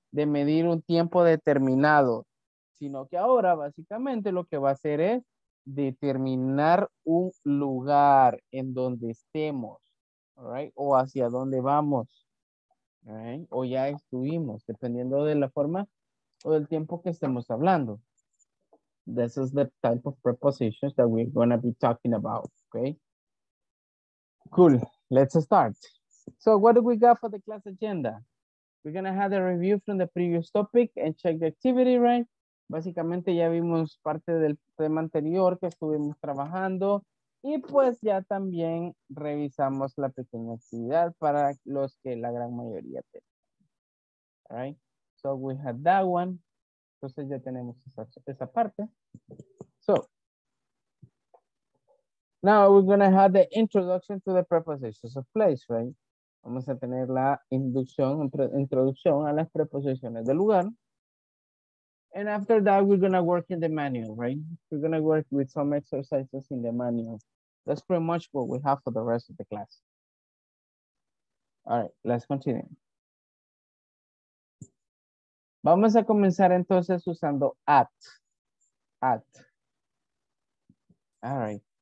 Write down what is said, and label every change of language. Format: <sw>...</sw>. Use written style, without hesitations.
<es>De medir un tiempo determinado, sino que ahora básicamente lo que va a hacer es determinar un lugar en donde estemos, right? O hacia dónde vamos. Right. O ya estuvimos, dependiendo de la forma o del tiempo que estemos hablando.</es> <en>This is the type of prepositions that we're going to be talking about, okay? Cool, let's start. So what do we got for the class agenda? We're going to have a review from the previous topic and check the activity, right?</en> <es>Básicamente ya vimos parte del tema anterior que estuvimos trabajando y pues ya también revisamos la pequeña actividad para los que la gran mayoría tienen.</es> <en>All right, so we had that one.</en> <es>Entonces ya tenemos esa parte.</es> <en>So, now we're going to have the introduction to the prepositions of place, right?</en> <es>Vamos a tener la introducción a las preposiciones de lugar.</es> <en>And after that, we're going to work in the manual, right? We're going to work with some exercises in the manual. That's pretty much what we have for the rest of the class. All right, let's continue.</en> <es>Vamos a comenzar entonces usando at. At.</es> <en>All right.</en>